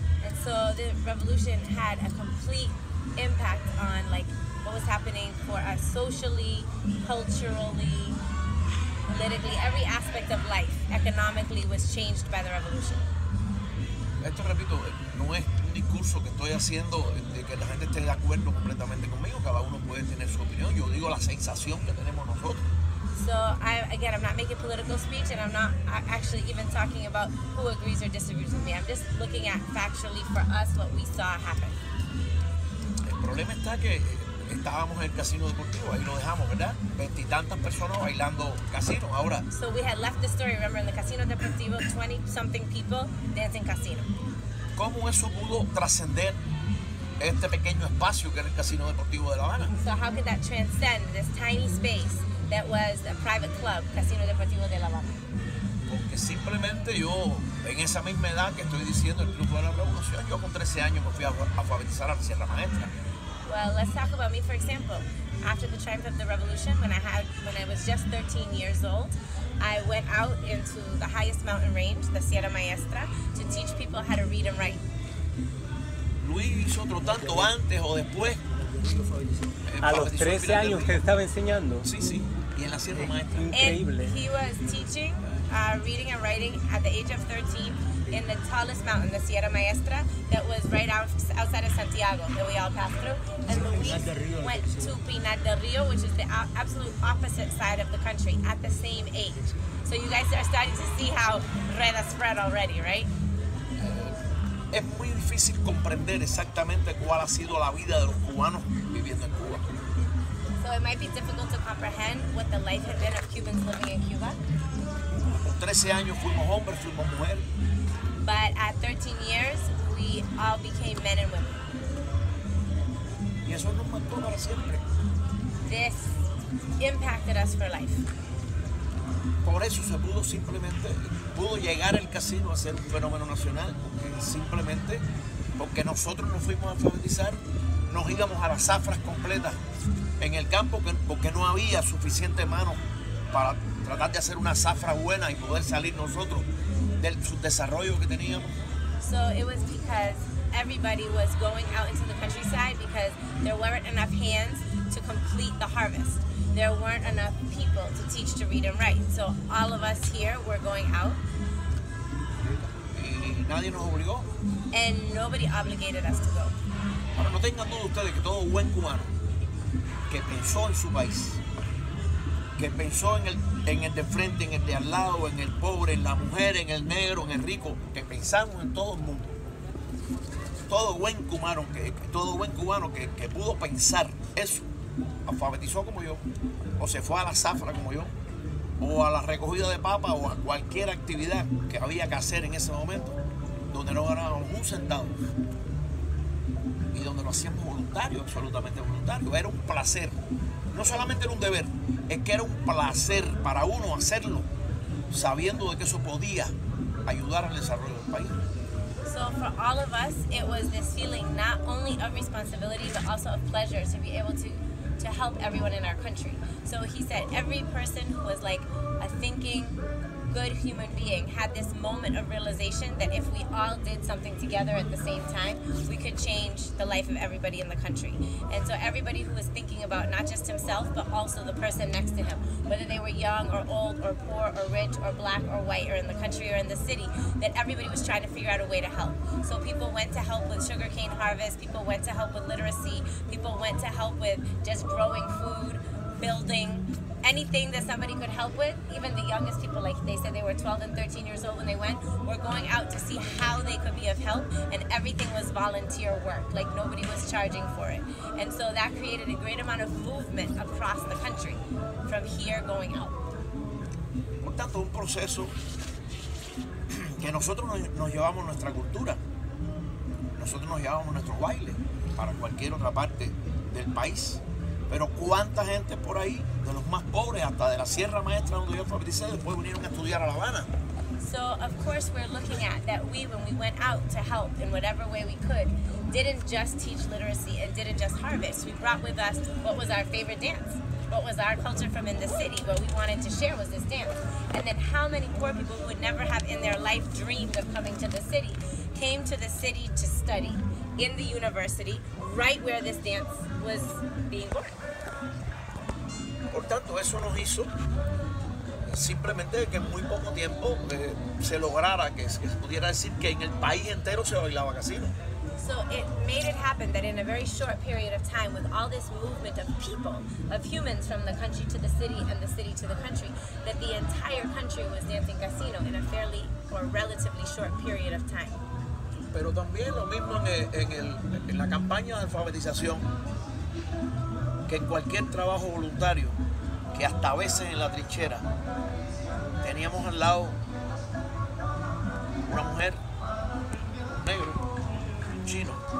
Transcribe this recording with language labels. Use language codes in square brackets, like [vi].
[en] And so the revolution had a complete impact on like what was happening for us socially, culturally, politically, every aspect of life economically was changed by the revolution. [es] Esto, repito, no es un discurso que estoy haciendo de que la gente esté de acuerdo completamente conmigo. Cada uno puede tener su opinión. Yo digo la sensación que tenemos nosotros. [en] So, I'm not making political speech, and I'm not actually even talking about who agrees or disagrees with me. I'm just looking at factually for us what we saw happen. [es] El problema está que estábamos en el casino deportivo, ahí lo dejamos, ¿verdad? [en] 20-something [es] personas bailando casino, ahora. [en] So we had left the story, remember, in the casino deportivo, 20-something people dancing casino. [es] ¿Cómo eso pudo trascender este pequeño espacio que era el casino deportivo de La Habana? [en] So how could that transcend this tiny space that was a private club, Casino Deportivo de La Habana? [es] Porque simplemente yo, en esa misma edad que estoy diciendo, el triunfo de la revolución, yo con 13 años me fui a alfabetizar a la Sierra Maestra. [en] Well, let's talk about me, for example. After the triumph of the revolution, when I was just 13 years old, I went out into the highest mountain range, the Sierra Maestra, to teach people how to read and write. [es] Luis hizo otro tanto antes o después. A los 13 años que estaba enseñando. Sí, sí. Y en la Sierra Maestra. Increíble. [en] And he was teaching reading and writing at the age of 13 in the tallest mountain, the Sierra Maestra, that was right outside of Santiago, that we all passed through. And Luis went to Pinar del Río, which is the absolute opposite side of the country, at the same age. So you guys are starting to see how Rueda spread already, right? [es] Es muy difícil comprender exactamente cuál ha sido la vida de los cubanos viviendo en Cuba. [en] So it might be difficult to comprehend what the life had been of Cubans living in Cuba. [es] Con 13 años fuimos hombres, fuimos mujeres. [en] But at 13 years, we all became men and women. [es] Y eso nos mató para siempre. [en] This impacted us for life. [es] Por eso se pudo simplemente, pudo llegar el casino a ser un fenómeno nacional. Simplemente porque nosotros nos fuimos a alfabetizar nos íbamos a las zafras completas en el campo, porque no había suficiente mano para tratar de hacer una zafra buena y poder salir nosotros del subdesarrollo que teníamos. [en] So it was because everybody was going out into the countryside because there weren't enough hands to complete the harvest. There weren't enough people to teach to read and write. So all of us here were going out. [es] Nadie nos obligó. [en] And nobody obligated us to go. [es] Bueno, no tengan duda ustedes que todo buen cubano que pensó en su país, que pensó en el de frente, en el de al lado, en el pobre, en la mujer, en el negro, en el rico, que pensamos en todo el mundo. Todo buen cubano que pudo pensar eso, alfabetizó como yo, o se fue a la zafra como yo, o a la recogida de papa, o a cualquier actividad que había que hacer en ese momento, donde no ganábamos un centavo y donde lo hacíamos voluntario, absolutamente voluntario. Era un placer, no solamente era un deber, es que era un placer para uno hacerlo sabiendo de que eso podía ayudar al desarrollo del país. [en] So for all of us, it was this feeling not only of responsibility but also of pleasure to be able to help everyone in our country. So he said every person who was like a thinking good human being had this moment of realization that if we all did something together at the same time, we could change the life of everybody in the country. And so everybody who was thinking about not just himself, but also the person next to him, whether they were young or old or poor or rich or black or white or in the country or in the city, that everybody was trying to figure out a way to help. So people went to help with sugarcane harvest, people went to help with literacy, people went to help with just growing food, building, anything that somebody could help with. Even the youngest people, like they said they were 12 and 13 years old when they went, were going out to see how they could be of help, and everything was volunteer work, like nobody was charging for it. And so that created a great amount of movement across the country from here going out. [es] Por tanto, un proceso que nosotros nos llevamos nuestra cultura, nosotros nos llevamos nuestro baile para cualquier otra parte del país. Pero cuánta gente por ahí, de los más pobres, hasta de la Sierra Maestra donde yo fabricé, después vinieron a estudiar a La Habana. [en] So of course we're looking at that when we went out to help in whatever way we could, didn't just teach literacy and didn't just harvest. We brought with us what was our favorite dance, what was our culture from in the city, what we wanted to share was this dance. And then how many poor people who would never have in their life dreamed of coming to the city, came to the city to study in the university, right where this dance was being born. [es] Por tanto, eso nos hizo simplemente que en muy poco tiempo se lograra que se pudiera decir que en el país entero se bailaba casino. [en] So it made it happen that in a very short period of time, with all this movement of people, of humans from the country to the city and the city to the country, that the entire country was dancing casino in a fairly or relatively short period of time. [es] Pero también lo mismo en la campaña de alfabetización, que en cualquier trabajo voluntario, que hasta a veces en la trinchera, teníamos al lado una mujer, un negro, un chino.